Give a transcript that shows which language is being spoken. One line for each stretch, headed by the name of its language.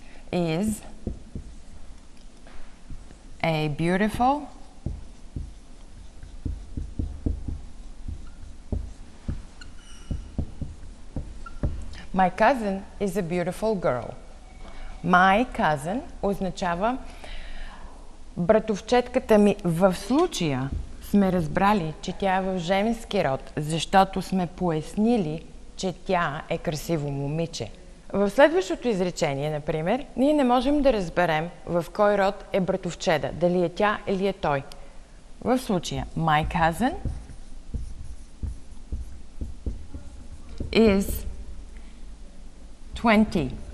English: Is a beautiful My cousin is a beautiful girl. My cousin
Bulgarian: означава братовчетката ми. В случая сме разбрали, че тя е в женски род, защото сме пояснили, че тя е красиво момиче. В следващото изречение, например, ние не можем да разберем в кой род е братовчеда, дали е тя или е той. В случая,
English: my cousin is 20.